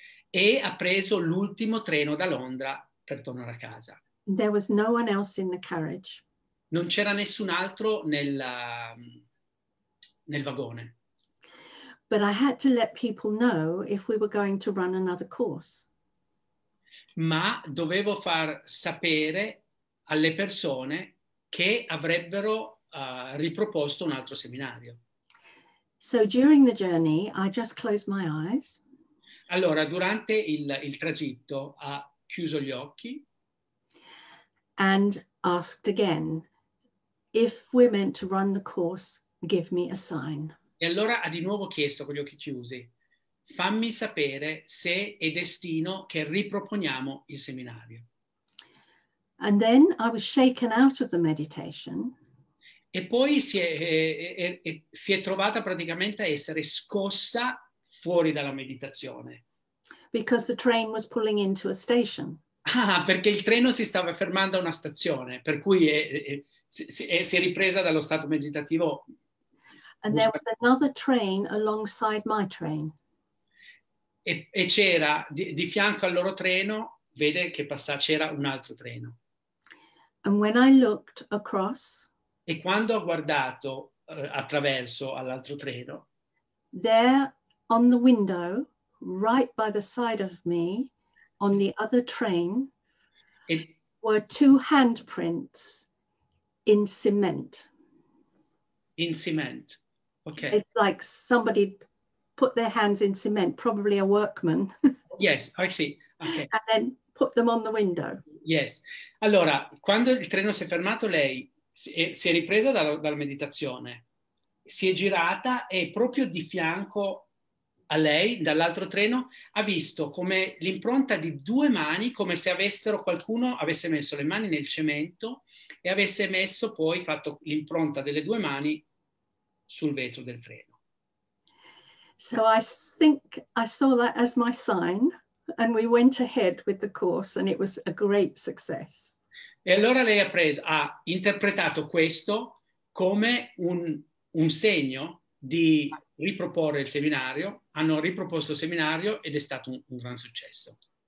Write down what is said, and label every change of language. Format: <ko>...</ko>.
<it>E ha preso l'ultimo treno da Londra per tornare a casa.</it> <en>There was no one else in the carriage.</en> <it>Non c'era nessun altro nel vagone.</it> <en>But I had to let people know if we were going to run another course.</en> <it>Ma dovevo far sapere alle persone che avrebbero riproposto un altro seminario.</it> <en>So during the journey I just closed my eyes.</en> <it>Allora durante il tragitto ha chiuso gli occhi.</it> <en>And asked again, if we're meant to run the course, give me a sign.</en> <it>E allora ha di nuovo chiesto con gli occhi chiusi, fammi sapere se è destino che riproponiamo il seminario.</it> <en>And then I was shaken out of the meditation.</en> <it>E poi si è trovata praticamente a essere scossa fuori dalla meditazione.</it> <en>Because the train was pulling into a station.</en> <it>Ah, perché il treno si stava fermando a una stazione, per cui si è ripresa dallo stato meditativo.</it> <en>And there was another train alongside my train.</en> <it>E c'era di fianco al loro treno, vede che passava, c'era un altro treno.</it> <en>And when I looked across,</en> <it>e quando ho guardato attraverso all'altro treno,</it> <en>there on the window, right by the side of me, on the other train, were two handprints in cement. In cement, okay. It's like somebody put their hands in cement, probably a workman. Yes, I see, okay. And then put them on the window. Yes.</en> <it>Allora, quando il treno si è fermato, lei si è ripresa dalla meditazione, si è girata e proprio di fianco a lei, dall'altro treno, ha visto come l'impronta di due mani, come se avessero qualcuno avesse messo le mani nel cemento e avesse messo poi fatto l'impronta delle due mani sul vetro del treno.</it> <en>So I think I saw that as my sign and we went ahead with the course and it was a great success.</en> <it>E allora lei ha interpretato questo come un segno di riproporre il seminario, hanno riproposto il seminario ed è stato un gran successo.</it>